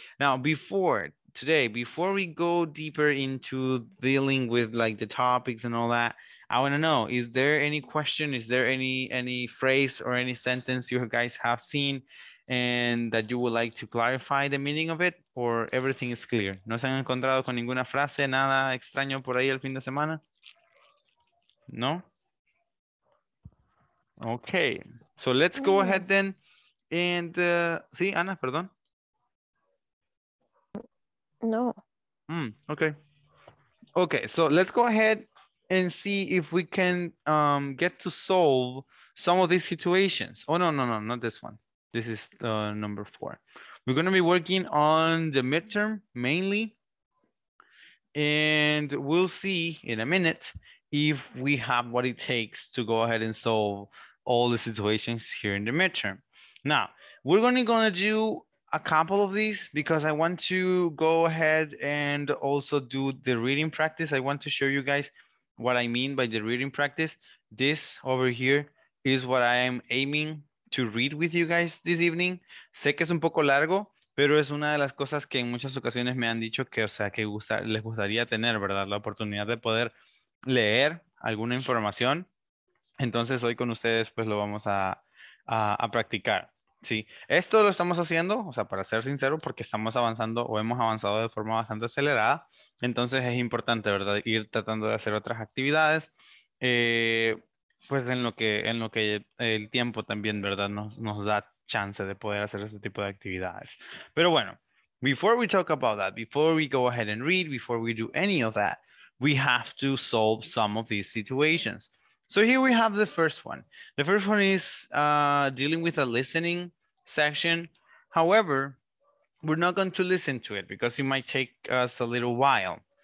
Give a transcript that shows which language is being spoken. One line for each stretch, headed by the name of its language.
English: Now, before today, before we go deeper into dealing with like the topics and all that, I want to know, is there any question? Is there any phrase or any sentence you guys have seen and that you would like to clarify the meaning of it, or everything is clear?
Spanish: ¿No se han encontrado con ninguna frase, nada extraño por ahí el fin de semana?
English: No? Okay, so let's go ahead then. And,
Spanish: sí, Ana, perdón.
English: No. Okay. Okay, so let's go ahead and see if we can get to solve some of these situations. Oh, no, not this one. This is number four. We're going to be working on the midterm mainly. And we'll see in a minute if we have what it takes to go ahead and solve all the situations here in the midterm. Now, we're only going to do a couple of these because I want to go ahead and also do the reading practice. I want to show you guys what I mean by the reading practice. This over here is what I am aiming to read with you guys this evening.
Spanish: Sé que es un poco largo, pero es una de las cosas que en muchas ocasiones me han dicho que, o sea, que les gustaría tener, ¿verdad? La oportunidad de poder leer alguna información. Entonces hoy con ustedes pues lo vamos a practicar. Sí, esto lo estamos haciendo, o sea, para ser sincero, porque estamos avanzando o hemos avanzado de forma bastante acelerada. Entonces es importante, ¿verdad? Ir tratando de hacer otras actividades, pues en lo que el tiempo también, ¿verdad? Nos da chance de poder hacer ese tipo de actividades. Pero bueno,
English: before we talk about that, before we go ahead and read, before we do any of that, we have to solve some of these situations. So here we have the first one. The first one is dealing with a listening section. However, we're not going to listen to it because it might take us a little while.